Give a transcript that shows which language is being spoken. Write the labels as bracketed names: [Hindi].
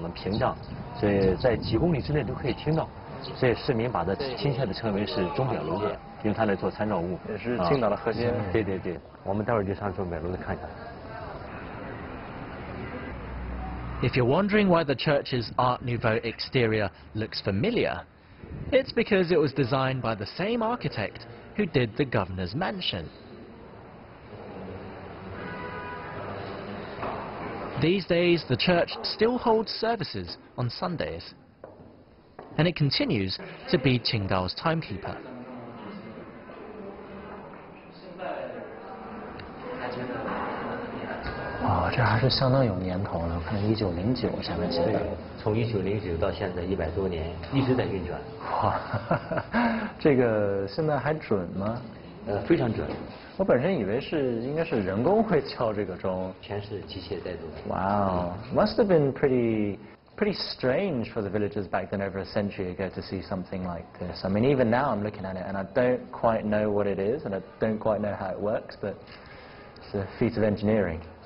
[Chinese] 这个教堂比较漂亮，还是比较独特哈。对，目前来讲应该说是青岛市最早和最大的一个基督教堂。哦，是哪年的？上个世纪初吧。然后这个钟楼也是比较有特色哈。当时就有，这个已经跑了100多年了，一直呢在沿用。不过当时呢，我们青岛市民呢，家里面都没有钟表，而且呢市区的建筑比较小，所以呢没有这种的屏障，所以在几公里之内都可以听到。 [English] If you're wondering why the church's Art Nouveau exterior looks familiar, it's because it was designed by the same architect who did the governor's mansion. These days, the church still holds services on Sundays, and it continues to be Qingdao's timekeeper. [Chinese] 哇，这还是相当有年头了，我看1909下面写的，从1909到现在100多年一直在运转。哇，这个现在还准吗？非常准。我本身以为是应该是人工会敲这个钟，全是机械在做。 [English] 哇哦 ，must have been pretty strange for the villagers back then over a century ago to see something like this. I mean, even now I'm looking at it and I don't quite know what it is and I don't quite know how it works, but it's a feat of engineering.